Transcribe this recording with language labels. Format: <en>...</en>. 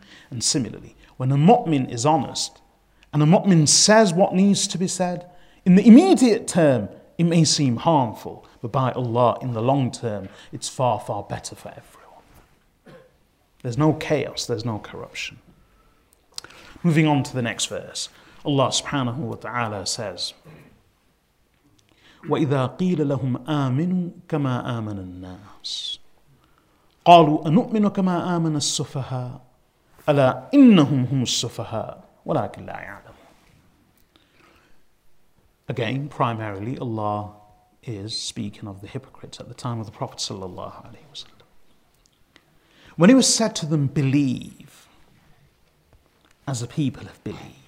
<en>And similarly, when a mu'min is honest, and a mu'min says what needs to be said, in the immediate term, it may seem harmful, but by Allah, in the long term, it's far, far better for everyone. There's no chaos, there's no corruption. Moving on to the next verse, Allah subhanahu wa ta'ala says,</en> <ar>وَإِذَا قِيلَ لَهُمْ آمِنُوا كَمَا آمَنَ النَّاسِ قَالُوا أَنُؤْمِنُ كَمَا آمَنَ السُّفَهَاءُ أَلَا إِنَّهُمْ هُمُ السُّفَهَاءُ وَلَكِنْ لَا يَعْلَمُونَ.</ar> <en>Again, primarily, Allah is speaking of the hypocrites at the time of the Prophet sallallahu alaihi wasallam. When it was said to them, believe, as the people have believed.</en>